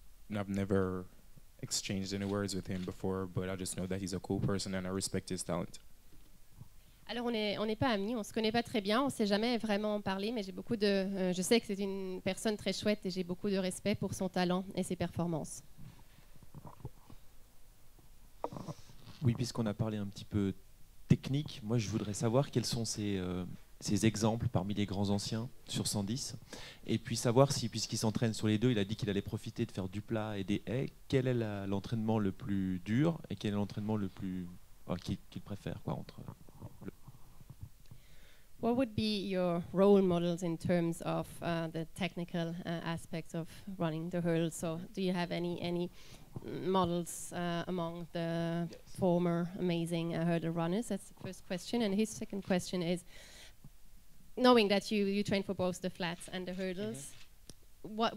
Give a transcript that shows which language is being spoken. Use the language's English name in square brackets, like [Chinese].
[English] I've never exchanged any words with him before, but I just know that he's a cool person and I respect his talent. [French] Alors on n'est pas amis, on se connaît pas très bien, on s'est jamais vraiment parlé, mais j'ai beaucoup de je sais que c'est une personne très chouette et j'ai beaucoup de respect pour son talent et ses performances. Oui, puisqu'on a parlé un petit peu technique, moi je voudrais savoir quels sont ses exemples parmi les grands anciens sur 110, et puis savoir si, puisqu'il s'entraîne sur les deux, il a dit qu'il allait profiter de faire du plat et des haies, quel est l'entraînement le plus dur et quel est l'entraînement le plus qu'il préfère, quoi, entre. [English] What would be your role models in terms of the technical aspects of running the hurdles? So do you have any models among the yes. former amazing hurdle runners? That's the first question. And his second question is, knowing that you train for both the flats and the hurdles, mm-hmm.